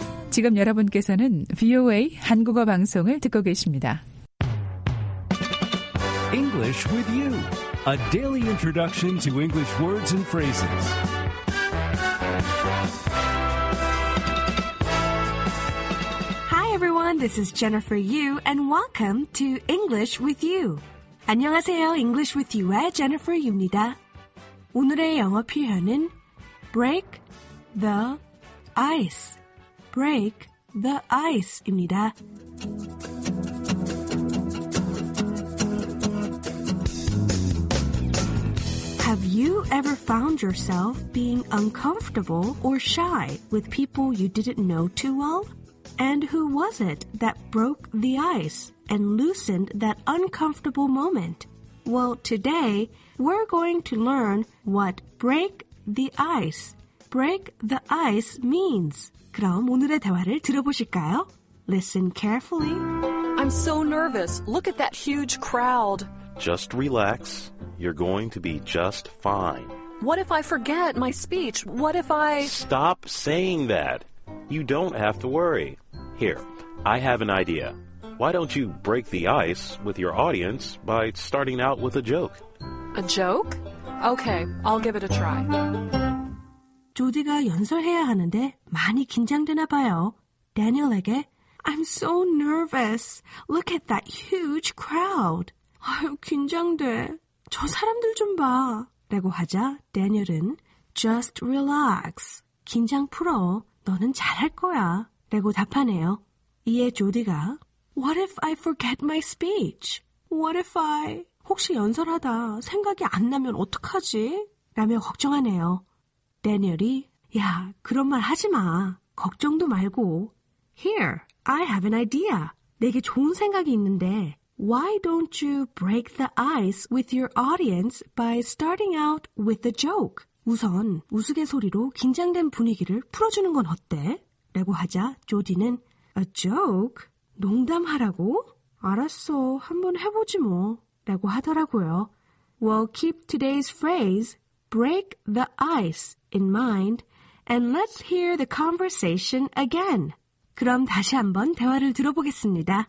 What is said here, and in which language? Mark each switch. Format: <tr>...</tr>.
<ko>지금 여러분께서는 VOA 한국어 방송을 듣고 계십니다.</ko> <en>English with you. A daily introduction to English words and phrases.</en> <ko>안녕하세요. English with you의 Jennifer입니다. 오늘의 영어 표현은 break the ice.</ko> <en>Break the ice입니다. Have you ever found yourself being uncomfortable or shy with people you didn't know too well? And who was it that broke the ice and loosened that uncomfortable moment? Well, today we're going to learn what break the ice means.</en> <ko>그럼 오늘의 대화를 들어보실까요?</ko> <en>Listen carefully. I'm so nervous. Look at that huge crowd. Just relax. You're going to be just fine. What if I forget my speech? What if I... Stop saying that. You don't have to worry. Here, I have an idea. Why don't you break the ice with your audience by starting out with a joke? A joke? Okay, I'll give it a try.</en> <ko>조디가 연설해야 하는데 많이 긴장되나 봐요. 다니엘에게</ko> <en>I'm so nervous. Look at that huge crowd.</en> <ko>아유, 긴장돼. 저 사람들 좀 봐. 라고 하자 다니엘은</ko> <en>Just relax.</en> <ko>긴장 풀어. 너는 잘할 거야. 라고 답하네요. 이에 조디가</ko> <en>What if I forget my speech? What if I...</en> <ko>혹시 연설하다 생각이 안 나면 어떡하지? 라며 걱정하네요. 다니엘이, 야, 그런 말 하지 마. 걱정도 말고.</ko> <en>Here, I have an idea.</en> <ko>내게 좋은 생각이 있는데.</ko> <en>Why don't you break the ice with your audience by starting out with a joke?</en> <ko>우선 우스갯소리로 긴장된 분위기를 풀어주는 건 어때? 라고 하자 조디는,</ko> <en>A joke?</en> <ko>농담하라고? 알았어, 한번 해보지 뭐. 라고 하더라고요.</ko> <en>Well, keep today's phrase. Break the ice in mind, and let's hear the conversation again.</en> <ko>그럼 다시 한번 대화를 들어보겠습니다.</ko>